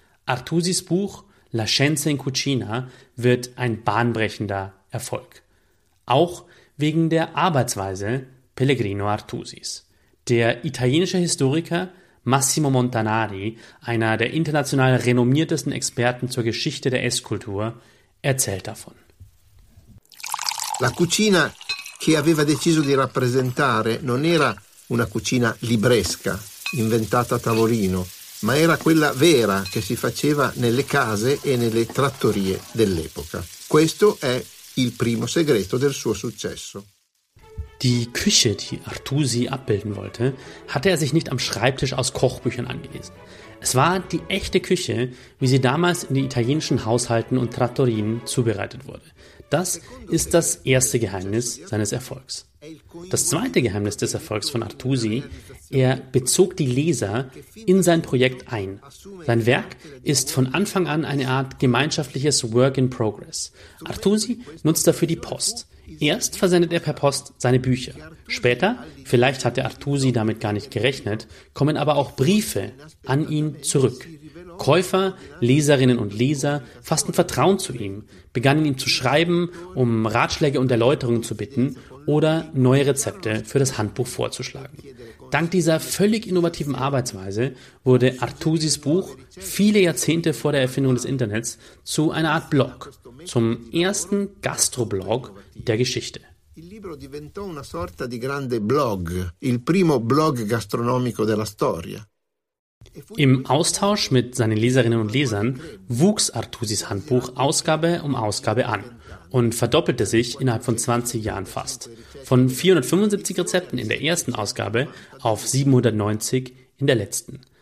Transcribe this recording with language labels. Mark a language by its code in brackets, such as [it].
[de] Artusis Buch La Scienza in Cucina wird ein bahnbrechender Erfolg. Auch wegen der Arbeitsweise Pellegrino Artusis. Der italienische Historiker Massimo Montanari, einer der international renommiertesten Experten zur Geschichte der Esskultur, erzählt davon. [it] La cucina che aveva deciso di rappresentare non era una cucina libresca, inventata a tavolino, ma era quella vera che si faceva nelle case e nelle trattorie dell'epoca. Questo è il primo segreto del suo successo. [de] Die Küche, die Artusi abbilden wollte, hatte er sich nicht am Schreibtisch aus Kochbüchern angelesen. Es war die echte Küche, wie sie damals in den italienischen Haushalten und Trattorien zubereitet wurde. Das ist das erste Geheimnis seines Erfolgs. Das zweite Geheimnis des Erfolgs von Artusi, er bezog die Leser in sein Projekt ein. Sein Werk ist von Anfang an eine Art gemeinschaftliches Work in Progress. Artusi nutzt dafür die Post. Erst versendet er per Post seine Bücher. Später, vielleicht hatte Artusi damit gar nicht gerechnet, kommen aber auch Briefe an ihn zurück. Käufer, Leserinnen und Leser fassten Vertrauen zu ihm, begannen ihm zu schreiben, um Ratschläge und Erläuterungen zu bitten oder neue Rezepte für das Handbuch vorzuschlagen. Dank dieser völlig innovativen Arbeitsweise wurde Artusis Buch viele Jahrzehnte vor der Erfindung des Internets zu einer Art Blog, zum ersten Gastroblog der Geschichte. [it] Il libro diventò una sorta di grande blog, il primo blog gastronomico della storia. [de] Im Austausch mit seinen Leserinnen und Lesern wuchs Artusis Handbuch Ausgabe um Ausgabe an und verdoppelte sich innerhalb von 20 Jahren fast. Von 475 Rezepten in der ersten Ausgabe auf 790 in der letzten.